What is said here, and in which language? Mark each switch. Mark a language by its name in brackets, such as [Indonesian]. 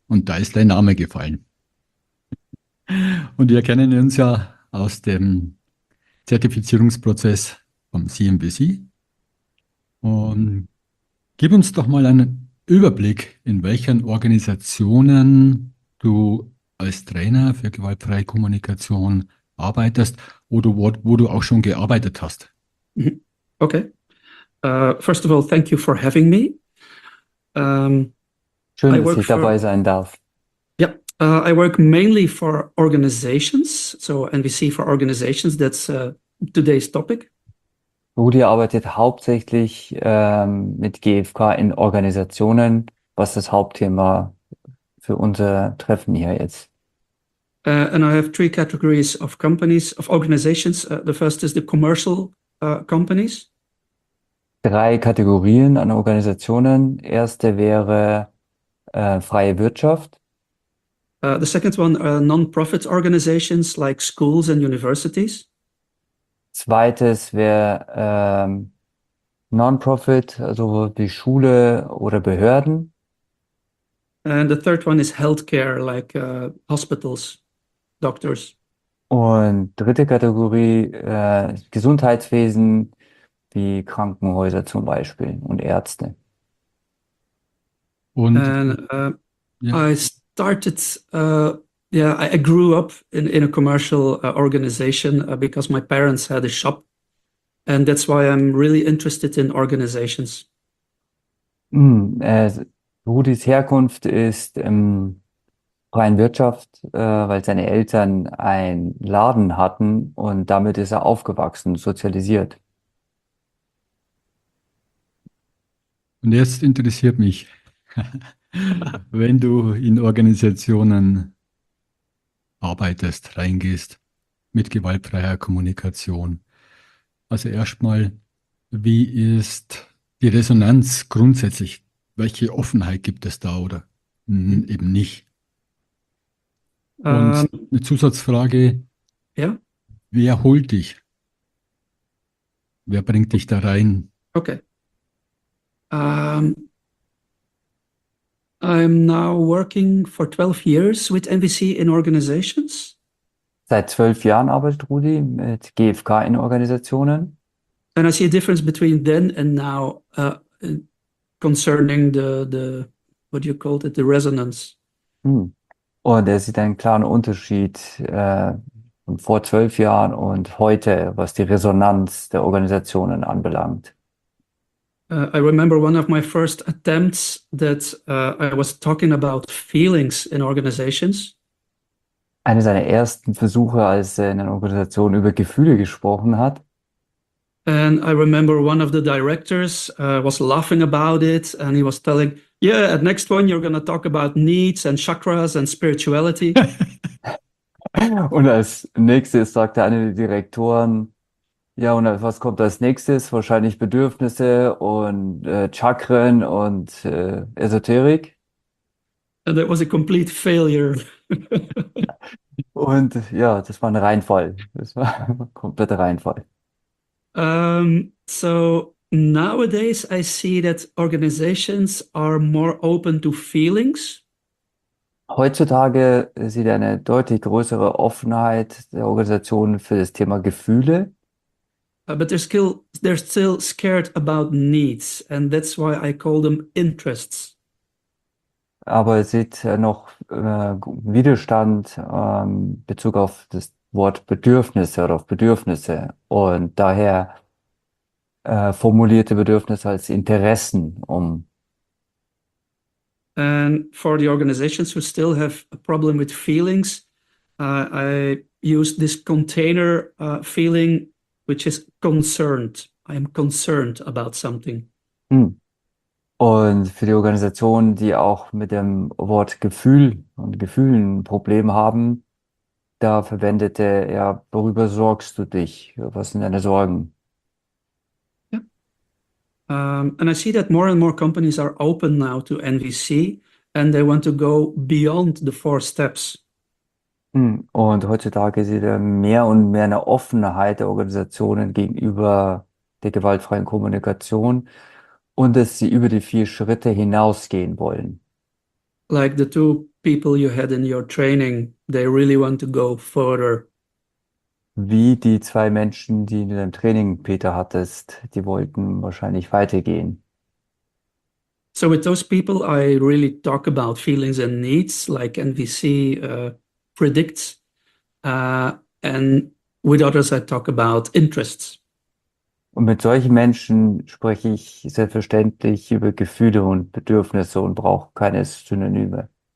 [German] Und da ist dein Name gefallen. Und wir kennen uns ja aus dem Zertifizierungsprozess vom CNBC. Und gib uns doch mal einen Überblick, in welchen Organisationen du als Trainer für gewaltfreie Kommunikation arbeitest oder wo du auch schon gearbeitet hast. Okay. [English] First of all, thank you for having me. [German] Schön, dass ich dabei sein darf. [English] Yeah, I work mainly for organizations. So NVC for organizations, that's today's topic. [German] Rudi arbeitet hauptsächlich mit GfK in Organisationen, was das Hauptthema für unser Treffen hier jetzt. [English] And I have three categories of companies, of organizations. The first is the commercial companies. [German] Drei Kategorien an Organisationen. Erste wäre freie Wirtschaft. [English] The second one are non-profit organizations like schools and universities. [German] Zweites wäre non-profit, also die Schule oder Behörden. [English] And the third one is healthcare like hospitals. Doctors. [German] Und dritte Kategorie, Gesundheitswesen, wie Krankenhäuser zum Beispiel und Ärzte. Und [English] I started, I grew up in a commercial organization because my parents had a shop. And that's why I'm really interested in organizations. [German] Rudis Herkunft ist freien Wirtschaft, weil seine Eltern einen Laden hatten und damit ist er aufgewachsen, sozialisiert. Und jetzt interessiert mich, wenn du in Organisationen arbeitest, reingehst mit gewaltfreier Kommunikation. Also erstmal, wie ist die Resonanz grundsätzlich? Welche Offenheit gibt es da oder eben nicht? Und eine Zusatzfrage, wer holt dich? Wer bringt dich da rein? [English] Okay. I'm now working for 12 years with NVC in organizations. [German] Seit 12 Jahren arbeitet Rudi mit GfK in Organisationen. [English] And I see a difference between then and now concerning the what you called it, the resonance. [German] Und er sieht einen klaren Unterschied von vor 12 Jahren und heute, was die Resonanz der Organisationen anbelangt. [English] I remember one of my first attempts that I was talking about feelings in organizations. [German] Einer seiner ersten Versuche, als er in einer Organisation über Gefühle gesprochen hat. [English] And I remember one of the directors was laughing about it, and he was telling, yeah, at next one you're going to talk about needs and chakras and spirituality. [German] Und als nächstes sagte einer der Direktoren, ja, und was kommt als nächstes? Wahrscheinlich Bedürfnisse und Chakren und Esoterik. [English] And that was a complete failure. [German] Und ja, das war ein Reinfall. Das war ein kompletter Reinfall. [English] So nowadays I see that organizations are more open to feelings. [German] Heutzutage sieht eine deutlich größere Offenheit der Organisation für das Thema Gefühle. [English] But they're still scared about needs, and that's why I call them interests. [German] Aber es sieht noch Widerstand Bezug auf das Wort Bedürfnisse oder auf Bedürfnisse und daher formulierte Bedürfnisse als Interessen um. [English] And for the organizations who still have a problem with feelings, I use this container feeling, which is concerned. I am concerned about something. [German] Und für die Organisationen, die auch mit dem Wort Gefühl und Gefühlen ein Problem haben, da verwendete er, worüber sorgst du dich? Was sind deine Sorgen? [English] And I see that more and more companies are open now to NVC and they want to go beyond the four steps. [German] Und heutzutage sieht er mehr und mehr eine Offenheit der Organisationen gegenüber der gewaltfreien Kommunikation und dass sie über die vier Schritte hinausgehen wollen. [English] Like the two people you had in your training, they really want to go further. [German] Wie die zwei Menschen, die in deinem Training Peter hattest, die wollten wahrscheinlich weitergehen. [English] So with those people, I really talk about feelings and needs, like NVC predicts. And with others, I talk about interests. [German] Und mit solchen Menschen spreche ich selbstverständlich über Gefühle und Bedürfnisse und brauche keine Synonyme.